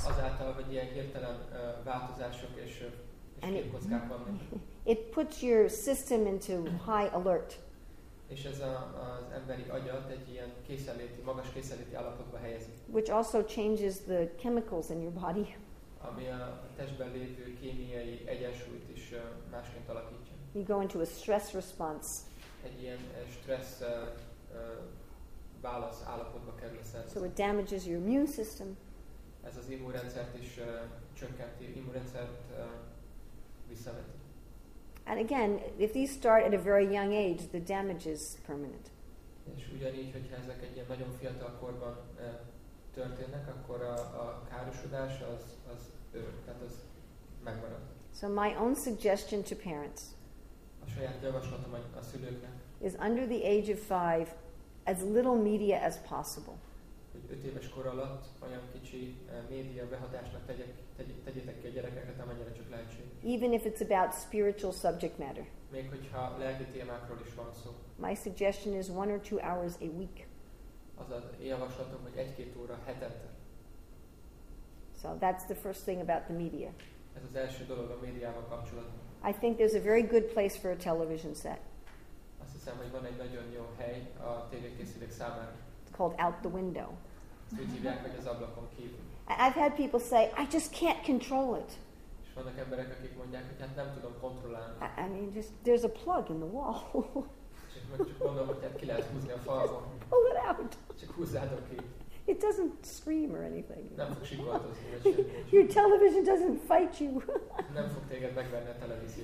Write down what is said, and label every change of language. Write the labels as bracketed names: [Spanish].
[Hungarian] Azáltal, hogy ilyen hirtelen változások és képkockák vannak. [English] It puts your system into high alert. [Hungarian] És ez az emberi agyat egy ilyen készenléti, magas készenléti állapotba helyezi. [English] Which also changes the chemicals in your body. [Hungarian] Ami a testben lévő kémiai egyensúlyt is másként alakítja. [English] You go into a stress response. [Hungarian] Egy ilyen stressz válasz állapotba kerül a szervezet. [English] So it damages your immune system. [Hungarian] Ez az immunrendszert is csökkenti, immunrendszert visszaveti. [English] And again, if these start at a very young age, the damage is permanent. [Hungarian] És ugyanígy, hogyha ezek egy ilyen nagyon fiatal korban történnek, akkor a károsodás az örök, tehát az megmarad. [English] So my own suggestion to parents. [Hungarian] A saját javaslatom a szülőknek. [English] Is under the age of 5, as little media as possible. [Hungarian] Hogy 5 éves kor alatt olyan kicsi média behatásnak tegyétek ki a gyerekeket, amennyire csak lehetség. [English] Even if it's about spiritual subject matter. [Hungarian] még hogyha lelki témákról is van szó. [English] My suggestion is 1 or 2 hours a week. [Hungarian] Azaz, javaslatom, hogy 1-2 óra hetente. [English] So that's the first thing about the media. [Hungarian] Ez az első dolog a médiával kapcsolatban. [English] I think there's a very good place for a television set. [Hungarian] Azt hiszem, hogy van egy nagyon jó hely a tévékészülék számára. [English] It's called Out the Window. [Hungarian] Úgy hívják, hogy az ablakon kívül. [English] I've had people say, I just can't control it. [Hungarian] És vannak emberek, akik mondják, hogy hát nem tudom kontrollálni. [English] I mean, just, there's a plug in the wall. [Hungarian] Csak gondolom, hogy hát ki lehet húzni a falon. [English] Pull it out. [Hungarian] Csak húzzátok ki. [English] It doesn't scream or anything. [Hungarian] Nem fog sikoltozni. [English] Your television doesn't fight you. [Hungarian] Nem fog téged megverni a televízió.